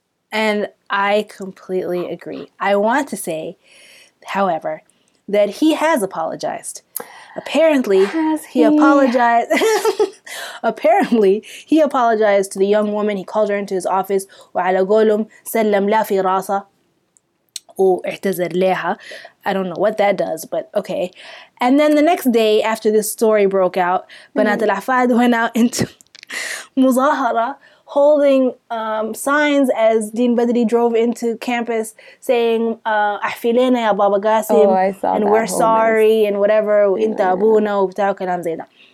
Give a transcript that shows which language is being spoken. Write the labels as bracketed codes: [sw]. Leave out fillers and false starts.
[en] And I completely agree. I want to say, however, that he has apologized. Apparently, he apologized. Apparently, he apologized to the young woman. He called her into his office. [ar] وعلى قولهم سلم لا في راسة واعتذر لها. [en] I don't know what that does, but okay. And then the next day, after this story broke out, [ar] بنات العفاد [en] went out into مظاهرة holding signs as Dean Badri drove into campus saying, [ar] أحفلينا يا بابا قاسم, [en] and we're sorry, and whatever, [ar] وإنت أبونا وبتاع وكلام زي ده.